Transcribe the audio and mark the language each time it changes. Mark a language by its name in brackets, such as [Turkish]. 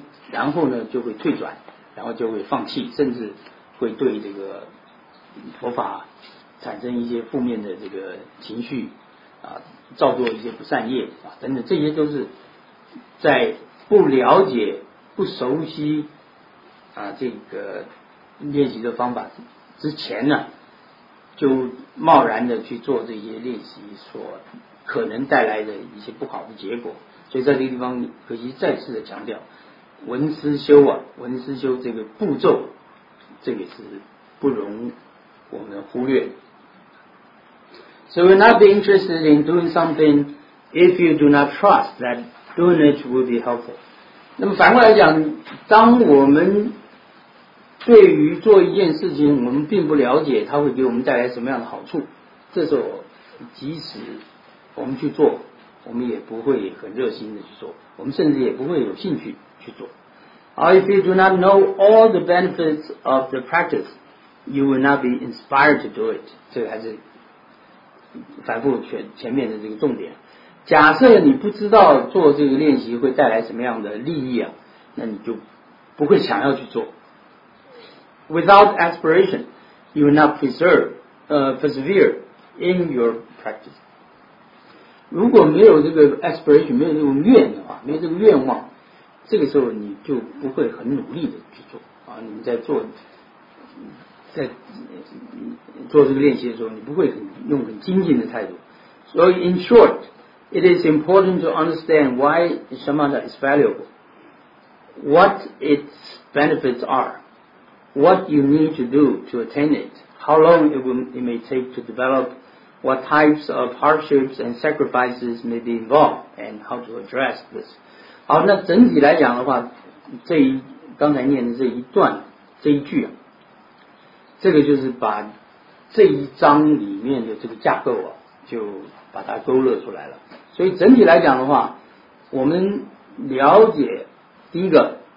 [Chinese] 然后呢就会退转，然后就会放弃，甚至会对这个佛法产生一些负面的这个情绪啊，造作一些不善业啊等等，这些都是在不了解不熟悉啊这个练习的方法之前呢，就贸然的去做这些练习所可能带来的一些不好的结果。所以在这个地方可惜再次的强调，文思修啊，文思修这个步骤，这个是不容我们忽略。 [English] So we're not be interested in doing something if you do not trust that doing it will be helpful. [Chinese] 那么反过来讲，当我们对于做一件事情我们并不了解它会给我们带来什么样的好处，这时候即使我们去做，我们也不会很热心的去做，我们甚至也不会有兴趣去做。 [English] If you do not know all the benefits of the practice, you will not be inspired to do it. [Chinese] 这个还是反复前面的这个重点。假设你不知道做这个练习会带来什么样的利益啊，那你就不会想要去做。 [English] Without aspiration, you will not persevere in your practice. [Chinese] 如果没有这个 aspiration, 没有这种愿的话，没有这个愿望，这个时候你就不会很努力的去做啊。你们在做这个练习的时候，你不会用很精进的态度。 [English] So in short, it is important to understand why shamatha is valuable, what its benefits are. What you need to do to attain it, how long it may take to develop, what types of hardships and sacrifices may be involved, and how to address this. [Chinese] 好，那整体来讲的话，刚才念的这一段这一句啊，这个就是把这一章里面的这个架构啊，就把它勾勒出来了。所以整体来讲的话，我们了解第一个。